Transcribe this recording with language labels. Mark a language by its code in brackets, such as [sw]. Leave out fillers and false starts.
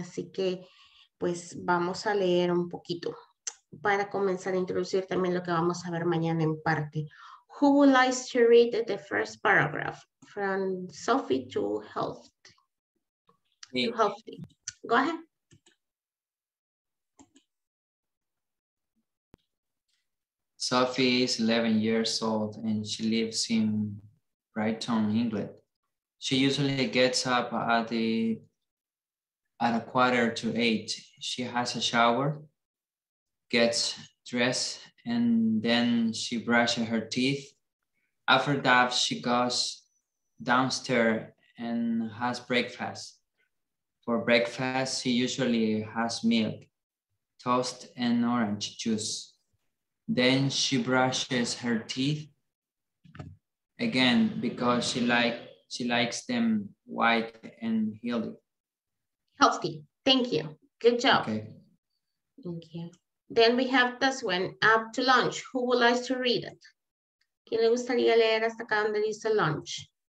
[es] Así que pues vamos a leer un poquito para comenzar a introducir también lo que vamos a ver mañana en parte. [en] Who would like to read the first paragraph from Sophie to Healthy? Me. To Healthy. Go ahead. Sophie is 11 years old and she lives in Brighton, England. She usually gets up at a quarter to eight. She has a shower, gets dressed, and then she brushes her teeth. After that, she goes downstairs and has breakfast. For breakfast, she usually has milk, toast, and orange juice. Then she brushes her teeth again because she likes them white and healthy. Healthy. Thank you. Good job. Okay. Thank you. Then we have this one, up to lunch. Who would like to read it? [es] ¿Quién le gustaría leer hasta acá donde dice lunch?